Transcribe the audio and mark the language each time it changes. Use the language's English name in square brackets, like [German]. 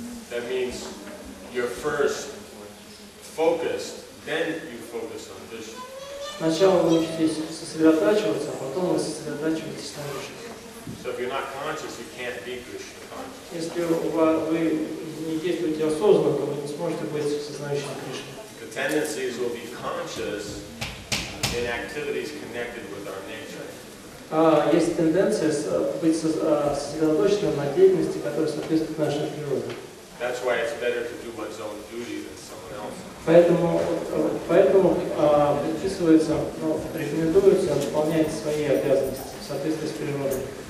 [English] That means you're first focused, then you focus on Кришна. [Russian] Сначала вы учитесь сосредотачиваться, а потом вы сосредотачиваетесь на Кришне. [English] So if you're not conscious, you can't be Krishna conscious. [Russian] Если вы не действуете осознанно, то вы не сможете быть сознающим Кришне. [English] The tendencies will be conscious in activities connected with our nature. [Russian] Есть тенденция быть сосредоточенным на деятельности, которая соответствует нашей природе. [English] That's why it's better to do one's own duty than someone else. [Russian] Поэтому предписывается, рекомендуется выполнять свои обязанности в соответствии с природой.